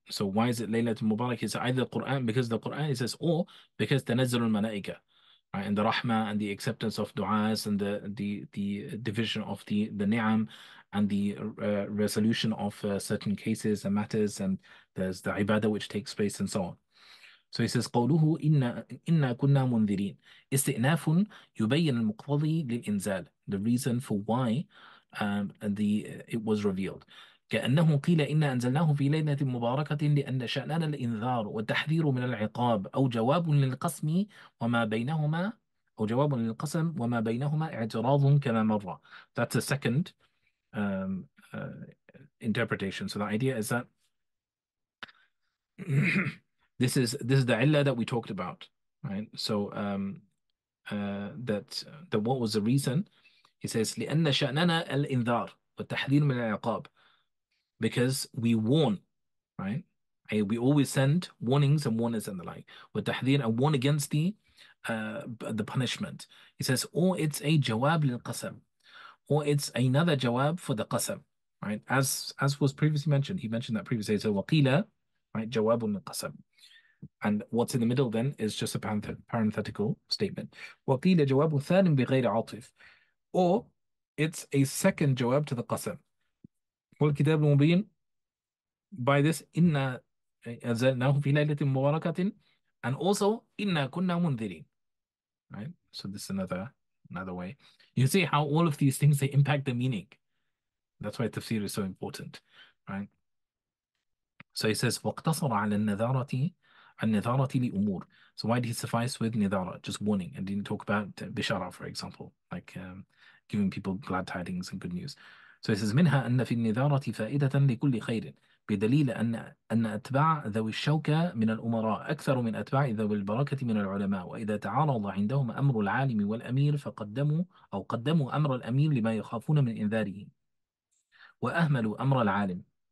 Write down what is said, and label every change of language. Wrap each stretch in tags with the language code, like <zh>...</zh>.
<en>So why is it Laylatul Mubarak? It's either the Quran, because the Quran it says, or because tanazzul al-mala'ika, right? And the rahmah and the acceptance of du'as and the division of the ni'am and the resolution of certain cases and matters and there's the ibadah which takes place and so on. So he says,</en> <ar>قوله إنا كنا منذرين استئناف يبين المقتضي للإنزال.</ar> <en>The reason for why it was revealed.</en> <ar>كأنه قيل إن أنزلناه في ليلة مباركة لأن شأننا الإنذار والتحذير من العقاب أو جواب للقسم وما بينهما أو جواب للقسم وما بينهما اعتراض كما مر.</ar> <en>That's the second interpretation. So the idea is that this is the illah that we talked about, right? So that what was the reason? He says</en> <ar>لأن شأننا الإنذار والتحذير من العقاب.</ar> <en>Because we warn, right? We always send warnings and warners and the like. With tahdhir, I warn against the punishment. He says, or it's a jawab lil qasam, or it's another jawab for the qasam, right? As was previously mentioned, he mentioned that previously. So waqila, right? Jawabun lil qasam. And what's in the middle then is just a parenthetical statement.</en> <ar>Waqila jawabu thanin bi ghayri atif,</ar> <en>or it's a second jawab to the qasam.</en> <ar>والكتاب المبين</ar> <en>by this</en> <ar>إنا أنزلناه في ليلة مباركة</ar> <en>and also</en> <ar>إنا كنا منذرين,</ar> <en>right? So this is another way. You see how all of these things, they impact the meaning. That's why tafsir is so important, right? So he says</en> <ar>واقتصر على النذارة لأمور.</ar> <en>So why did he suffice with نذارة, just warning, and didn't talk about بشارة, for example, like giving people glad tidings and good news.</en> <ar>So he says, منها أن في النذارة فائدة لكل خير بدليل أن أتباع ذوي الشوكة من الأمراء أكثر من أتباع ذوي البركة من العلماء وإذا تعارض عندهم أمر العالم والأمير فقدموا أمر الأمير لما يخافون من إنذاره وأهملوا أمر العالم.</ar>